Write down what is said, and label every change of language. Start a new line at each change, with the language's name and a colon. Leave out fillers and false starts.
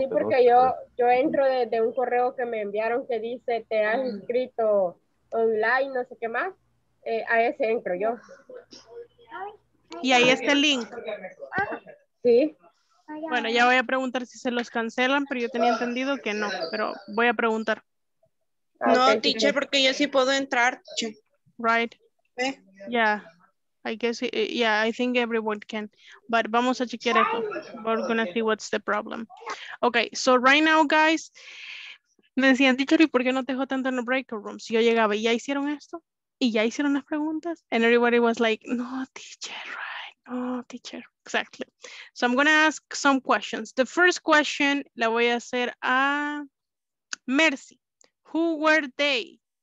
Spanish: sí, porque yo entro de un correo que me enviaron que dice te han inscrito online, no sé qué más. A ese entro yo. Y ahí está el link. Sí. Bueno, ya voy a preguntar si se los cancelan, pero yo tenía entendido que no, pero voy a preguntar. No, okay. Teacher, porque yo sí puedo entrar.
English: Right. Yeah, I guess, I think everyone can, but
Spanish: vamos a chequear esto.
English: We're gonna see what's the problem. Okay, so right now, guys,
Spanish: me decían, teacher, ¿y por qué no te dejó tanto en el breakout room? Si yo llegaba, ¿y ya hicieron esto? ¿Y ya hicieron las preguntas?
English: And everybody was like, no, teacher, right, no, teacher, exactly. So I'm gonna ask some questions. The first question
Spanish: la voy a hacer a
English: Mercy. Who were they?